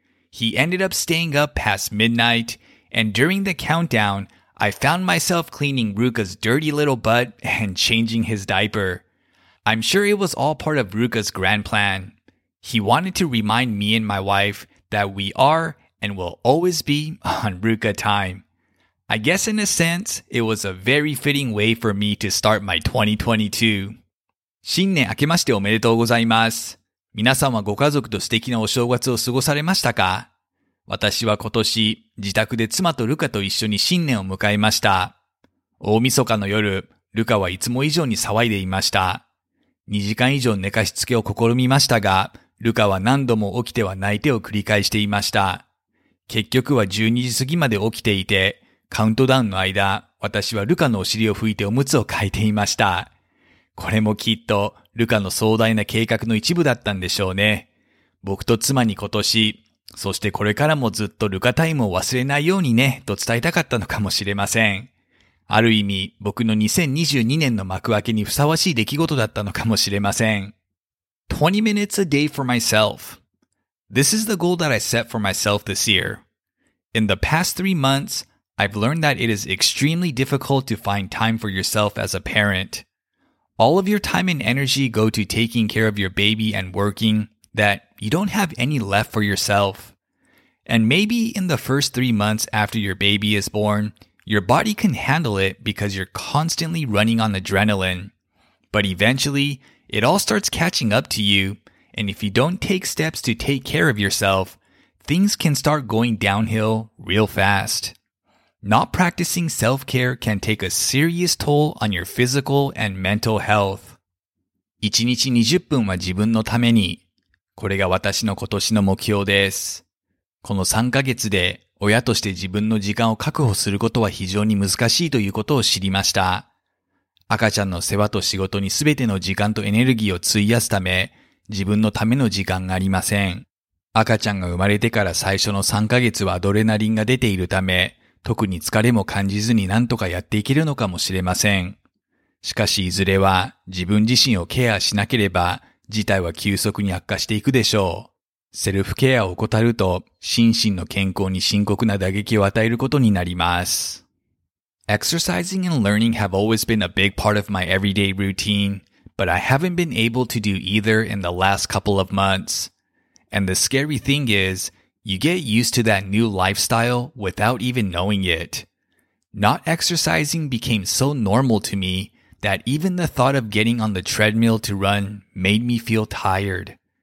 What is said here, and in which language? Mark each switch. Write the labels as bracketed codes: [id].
[en] He ended up staying up past midnight, and during the countdown, I found myself cleaning Ruka's dirty little butt and changing his diaper. I'm sure it was all part of Ruka's grand plan. He wanted to remind me and my wife that we are and will always be on Ruka time. I guess in a sense, it was a very fitting way for me to start my 2022. [ja] 新年明けましておめでとうございます。皆さんはご家族と素敵なお正月を過ごされましたか？私は今年、自宅で妻とルカと一緒に新年を迎えました。大晦日の夜、ルカはいつも以上に騒いでいました。 2時間以上寝かしつけを試みましたが、ルカは何度も起きては泣いてを繰り返していました。結局は12時過ぎまで起きていて、カウントダウンの間、私はルカのお尻を拭いておむつを替えていました。これもきっとルカの壮大な計画の一部だったんでしょうね。僕と妻に今年、そしてこれからもずっとルカタイムを忘れないようにね、と伝えたかったのかもしれません。ある意味、僕の2022年の幕開けにふさわしい出来事だったのかもしれません。 [en] 20 minutes a day for myself. This is the goal that I set for myself this year. In the past 3 months, I've learned that it is extremely difficult to find time for yourself as a parent. All of your time and energy go to taking care of your baby and working, that you don't have any left for yourself. And maybe in the first 3 months after your baby is born, your body can handle it because you're constantly running on adrenaline. But eventually, it all starts catching up to you, and if you don't take steps to take care of yourself, things can start going downhill real fast. Not practicing self-care can take a serious toll on your physical and mental health. [ja] 1日20分は自分のために。これが私の今年の目標です。この3ヶ月で親として自分の時間を確保することは非常に難しいということを知りました。赤ちゃんの世話と仕事に全ての時間とエネルギーを費やすため、自分のための時間がありません。赤ちゃんが生まれてから最初の3ヶ月はアドレナリンが出ているため、特に疲れも感じずに何とかやっていけるのかもしれません。しかしいずれは自分自身をケアしなければ、事態は急速に悪化していくでしょう。セルフケアを怠ると、心身の健康に深刻な打撃を与えることになります。 [en] Exercising and learning have always been a big part of my everyday routine, but I haven't been able to do either in the last couple of months. And the scary thing is, you get used to that new lifestyle without even knowing it. Not exercising became so normal to me that even the thought of getting on the treadmill to run made me feel tired.